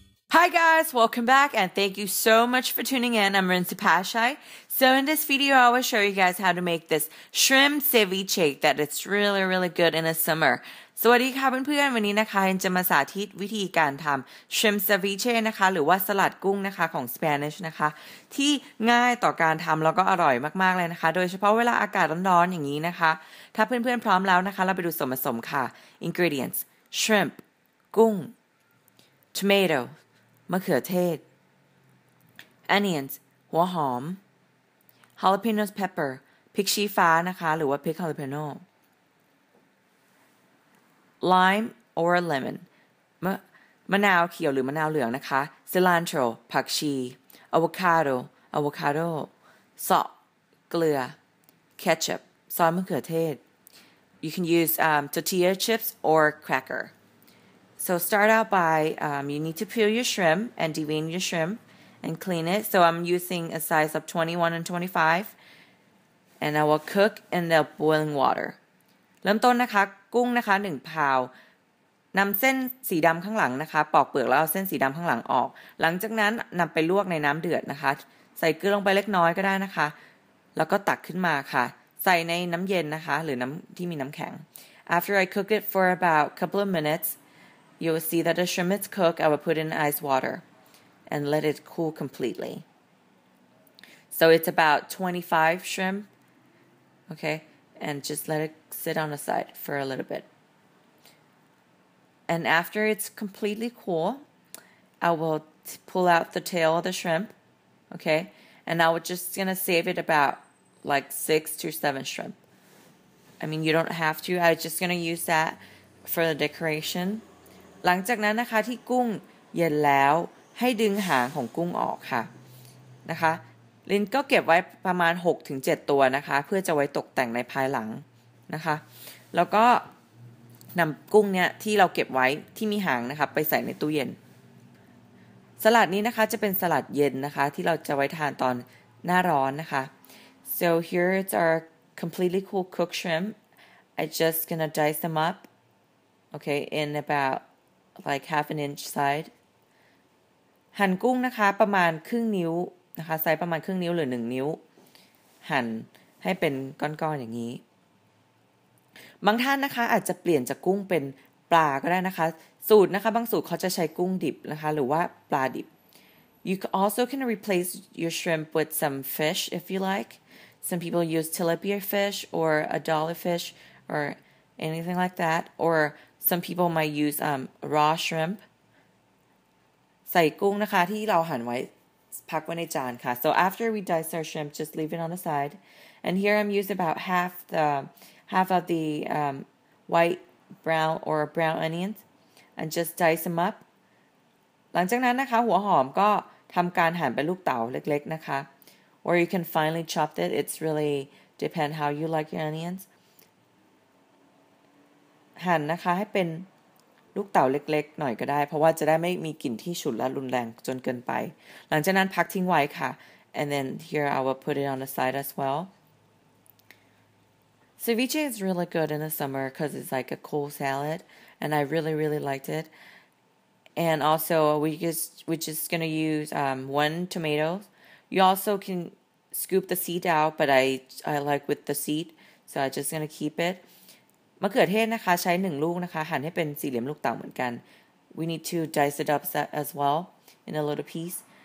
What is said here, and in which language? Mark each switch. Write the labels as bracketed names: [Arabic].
[English] Hi guys, welcome back and thank you so much for tuning in. I'm RinSilpachai. So in this video, I will show you guys how to make this shrimp ceviche that it's really, really good in the summer. [Thai] สวัสดีค่ะเพื่อนๆวันนี้นะคะจะมาสาธิตวิธีการทำ shrimp ceviche นะคะหรือว่าสลัดกุ้งนะคะของ Spanish นะคะที่ง่ายต่อการทำแล้วก็อร่อยมากๆเลยนะคะโดยเฉพาะเวลาอากาศร้อนๆอย่างนี้นะคะถ้าเพื่อนๆพร้อมแล้วนะคะเราไปดูส่วนผสมค่ะ ingredients shrimp กุ้ง tomatoมะเขือเทศ onions หัวหอม jalapenos pepper พริกชี้ฟ้านะคะหรือว่าพริก jalapeno [English] lime or lemon [Thai] มะนาวเขียวหรือมะนาวเหลืองนะคะ [English] cilantro ผักชี avocado avocado salt เกลือ ketchup ซอสมะเขือเทศ you can use tortilla chips or crackerSo start out by, you need to peel your shrimp and devein your shrimp and clean it. So I'm using a size of 21 and 25. And I will cook in the boiling water. [Thai] เริ่มต้นนะคะกุ้งนะคะ1พาวนำเส้นสีดำข้างหลังนะคะปอกเปลือกแล้วเอาเส้นสีดำข้างหลังออกหลังจากนั้นนำไปลวกในน้ำเดือดนะคะใส่เกลือลงไปเล็กน้อยก็ได้นะคะแล้วก็ตักขึ้นมาค่ะใส่ในน้ำเย็นนะคะหรือน้ำที่มีน้ำแข็ง [English] After I cook it for about a couple of minutesYou will see that the shrimp is cooked. I will put in ice water and let it cool completely. So it's about 25 shrimp, okay? And just let it sit on the side for a little bit. And after it's completely cool, I will pull out the tail of the shrimp, okay? And I was just going to save it about like 6 to 7 shrimp. I mean, you don't have to. I was just going to use that for the decoration. [Thai] หลังจากนั้นนะคะที่กุ้งเย็นแล้วให้ดึงหางของกุ้งออกค่ะนะคะลินก็เก็บไว้ประมาณ 6-7 ตัวนะคะเพื่อจะไว้ตกแต่งในภายหลังนะคะแล้วก็นำกุ้งเนี้ยที่เราเก็บไว้ที่มีหางนะคะไปใส่ในตู้เย็นสลัดนี้นะคะจะเป็นสลัดเย็นนะคะที่เราจะไว้ทานตอนหน้าร้อนนะคะ [English] So here it's our completely cool cooked shrimp I just gonna dice them up okay in aboutlike half an inch side [Thai] หั่นกุ้งนะคะประมาณครึ่งนิ้วนะคะไซส์ประมาณครึ่งนิ้วหรือ1นิ้วหั่นให้เป็นก้อนๆอย่างนี้บางท่านนะคะอาจจะเปลี่ยนจากกุ้งเป็นปลาก็ได้นะคะสูตรนะคะบางสูตรเขาจะใช้กุ้งดิบนะคะหรือว่าปลาดิบ [English] You also can replace your shrimp with some fish if you like Some people use tilapia fish or a dollar fish or anything like that orSome people might use raw shrimp. [Thai] ใส่กุ้งนะคะที่เราหั่นไว้พักไว้ในจานค่ะ [English] So after we dice our shrimp, just leave it on the side. And here I'm using about half of the white, brown, or brown onions. And just dice them up. [Thai] หลังจากนั้นนะคะหัวหอมก็ทำการหั่นเป็นลูกเต๋าเล็กๆนะคะ [English] Or you can finely chop it. It's really depend how you like your onions. [Thai] หั่นนะคะให้เป็นลูกเต๋าเล็กๆหน่อยก็ได้เพราะว่าจะได้ไม่มีกลิ่นที่ฉุนและรุนแรงจนเกินไปหลังจากนั้นพักทิ้งไว้ค่ะ [English] and then here I will put it on the side as well ceviche is really good in the summer because it's like a cool salad and I really really liked it and also we're just gonna use one tomato you also can scoop the seed out but I like with the seed so I'm just gonna keep it [Thai] มะเขือเทศนะคะใช้1ลูกนะคะหั่นให้เป็นสี่เหลี่ยมลูกเต๋าเหมือนกัน [English] We need to dice it up as well in a little piece